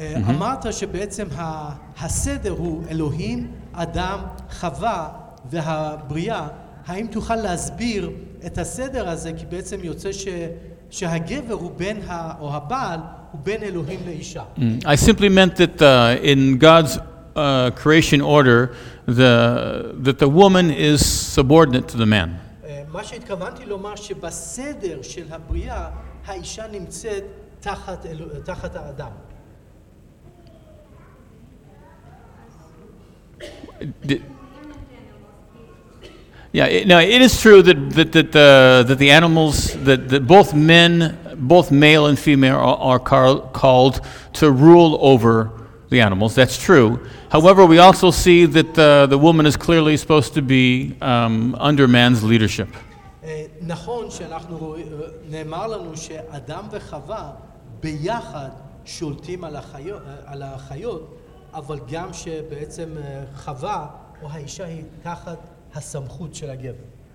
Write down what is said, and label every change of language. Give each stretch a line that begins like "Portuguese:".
Hebrew: אמרת שבעצם הסדר הוא אלוהים, אדם, חווה והבריאה. האם תוכל להסביר את הסדר הזה? כי בעצם יוצא שהגבר הוא בן או הבעל הוא בן אלוהים לאישה.
English: I simply meant that in God's creation order that the woman is subordinate to the man.
Hebrew: מה שהתכוונתי לומר שבסדר של הבריאה האישה נמצאת תחת האדם.
English: Did, Yeah, it is true that the animals, that both men, both male and female, are called to rule over the animals. That's true. However, we also see that the woman is clearly supposed to be under man's leadership.
Hebrew: נכון שאנחנו נאמר לנו שאדם וחווה ביחד שולטים על החיות, אבל גם שבעצם חווה או האישה היא תחת הסמכות של הגבר.